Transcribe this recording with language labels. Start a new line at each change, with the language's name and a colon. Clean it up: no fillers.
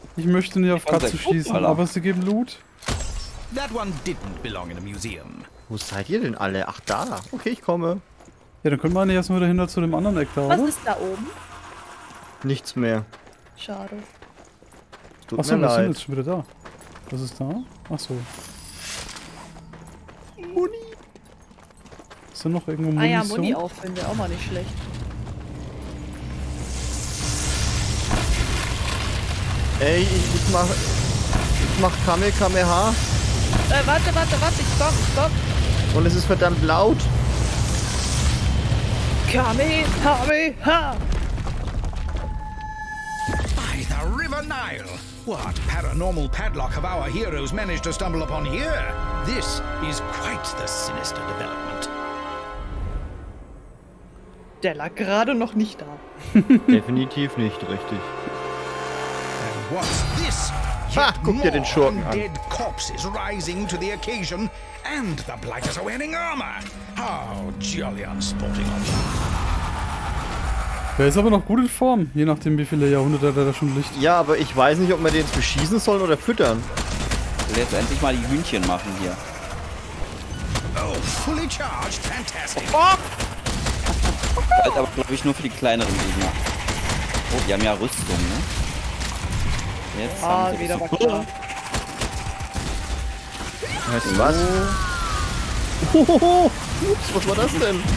German: Ich möchte nicht auf Katze schießen, aber sie geben Loot.
English: That one didn't belong in a museum.
German: Wo seid ihr denn alle? Ach da. Okay, ich komme. Ja, dann können wir eigentlich erstmal dahinter zu dem anderen Eck da, oder? Was ist da oben? Nichts mehr. Schade. Achso, wir sind jetzt schon wieder da. Was ist da? Achso. Muni! Ist da noch irgendwo Munition? Ah ja, Muni auffüllen wäre auch mal nicht schlecht. Ey, ich mach Kamehameha. Warte, ich komm. Und es ist verdammt laut. Kamehameha!
English: By the River Nile! What paranormal padlock have our heroes managed to stumble upon here? This is quite the sinister development.
German: Der lag gerade noch nicht da. Definitiv nicht, richtig.
English: And what's this?
German: Ha, guck dir den Schurken an.
English: Dead corpses rising to the occasion and the blighters are wearing armor. How jolly unsporting of you.
German: Der ist aber noch gut in Form, je nachdem wie viele Jahrhunderte er da schon liegt. Ja, aber ich weiß nicht, ob wir den jetzt beschießen sollen oder füttern. Letztendlich mal die Hühnchen machen hier.
English: Oh, fully charged, fantastic. Oh!
German: Halt aber glaube ich nur für die kleineren Gegner. Oh, die haben ja Rüstung, ne? Jetzt ah, haben sie wieder so cool. Weißt du was? Ups, was war das denn?